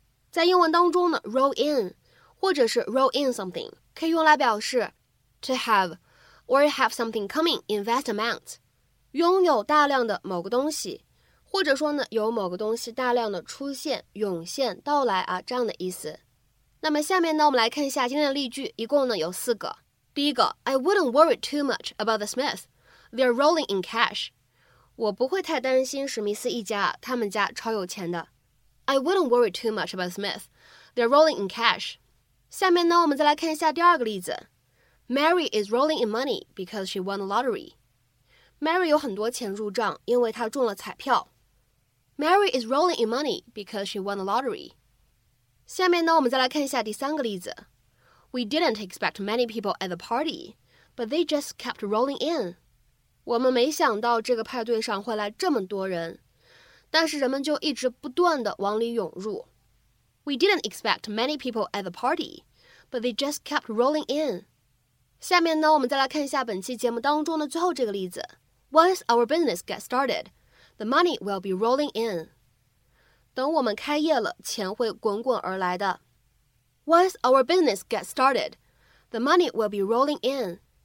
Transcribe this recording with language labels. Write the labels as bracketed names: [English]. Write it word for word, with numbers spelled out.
[Chinese] 在英文当中呢 roll in 或者是 roll in something 可以用来表示 [English] to have or have something coming in vast amounts [Chinese] 拥有大量的某个东西，或者说呢有某个东西大量的出现涌现到来啊这样的意思。那么下面呢我们来看一下今天的例句，一共呢有四个。第一个 [English] I wouldn't worry too much about the Smiths. They're rolling in cash. [Chinese] 我不会太担心史密斯一家，他们家超有钱的。 [English] I wouldn't worry too much about the Smiths. They're rolling in cash. [Chinese] 下面呢，我们再来看一下第二个例子。 [English] Mary is rolling in money because she won the lottery. [Chinese] Mary 有很多钱入账，因为她中了彩票。 [English] Mary is rolling in money because she won the lottery. [Chinese] 下面呢，我们再来看一下第三个例子。 [English] We didn't expect many people at the party, but they just kept rolling in. [Chinese] 我们没想到这个派对上会来这么多人，但是人们就一直不断地往里涌入。 [English] We didn't expect many people at the party, but they just kept rolling in. [Chinese] 下面呢，我们再来看一下本期节目当中的最后这个例子。 [English] Once our business gets started, the money will be rolling in. [Chinese] 等我们开业了，钱会滚滚而来的。 [English] Once our business gets started, the money will be rolling in.